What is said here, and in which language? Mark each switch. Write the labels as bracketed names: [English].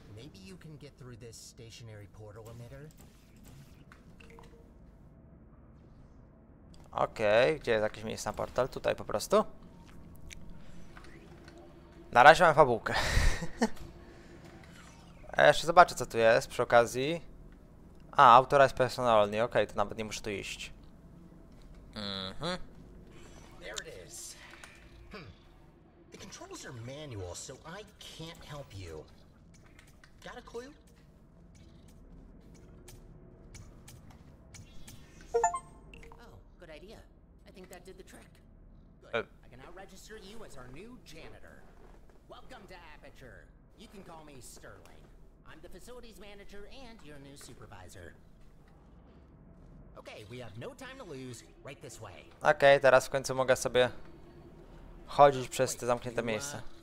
[English] Maybe you can get through this stationary portal emitter. [Polish] Okej, gdzie jest jakieś miejsce na portal? Tutaj po prostu. Na razie mam fabułkę. A jeszcze zobaczę, co tu jest przy okazji. A, [English] authorized personal only. [Polish] Okej, to nawet nie muszę tu iść. Mhm. [English] Controls are manual, so I can't help you. Got a clue? Oh, good idea. I think that did the trick. Good. I can now register you as our new janitor. Welcome to Aperture. You can call me Sterling. I'm the facilities manager and your new supervisor. Okay, we have no time to lose. Right this way. [Polish] Okay, teraz w końcu mogę sobie chodzić przez te zamknięte miejsca.